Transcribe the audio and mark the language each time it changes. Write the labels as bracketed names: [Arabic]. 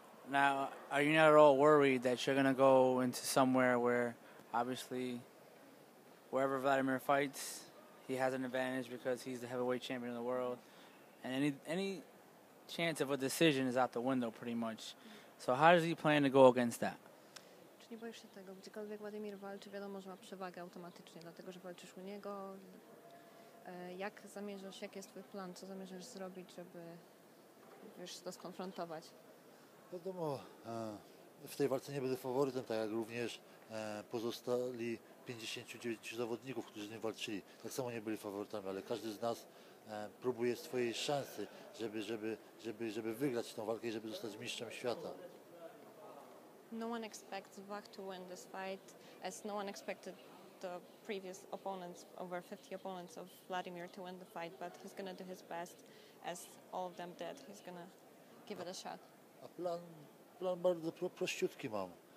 [English] Now, are you not at all worried that you're gonna go into somewhere where, obviously, wherever Vladimir fights, he has an advantage because he's the heavyweight champion of the world, and any chance of a decision is out the window pretty much. So how does he plan to go against that? [Polish] Czy nie boisz się tego? Gdziekolwiek Vladimir walczy, wiadomo, że ma przewagę automatycznie, dlatego że walczysz u niego. Jak zamierzasz, jaki jest twój plan, co zamierzasz zrobić, żeby wiesz, to skonfrontować? Wiadomo, w tej walce nie będę faworytem, tak jak również pozostali 59 zawodników, którzy z nim walczyli. Tak samo nie byli faworytami, ale każdy z nas próbuje swojej szansy, żeby wygrać tą walkę i żeby zostać mistrzem świata. [English] No one expects Vak to win this fight, as no one expected the previous opponents, over 50 opponents of Vladimir to win the fight, but he's gonna do his best, as all of them did. He's gonna give it a shot. [Polish] A plan bardzo prościutki mam.